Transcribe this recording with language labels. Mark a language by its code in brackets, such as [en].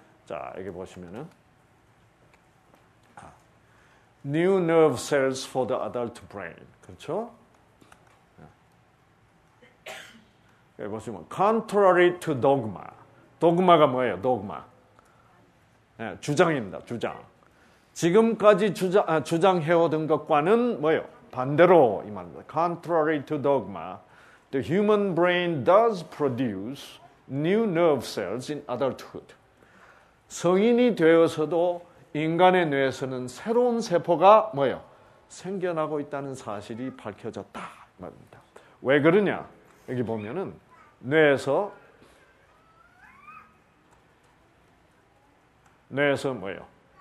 [ko] 자, 여기 보시면은 [en] New nerve cells for the adult brain. [ko] 그렇죠? 여기 보시면 [en] contrary to dogma. [ko] 도그마가 뭐예요? 도그마. 주장입니다. 주장. 지금까지 주장해오던 것과는 뭐요? 반대로 이 말입니다. [en] Contrary to dogma, the human brain does produce new nerve cells in adulthood. [ko] 성인이 되어서도 인간의 뇌에서는 새로운 세포가 뭐요? 생겨나고 있다는 사실이 밝혀졌다. 말입니다. 왜 그러냐? 여기 보면은 뇌에서 뭐예요?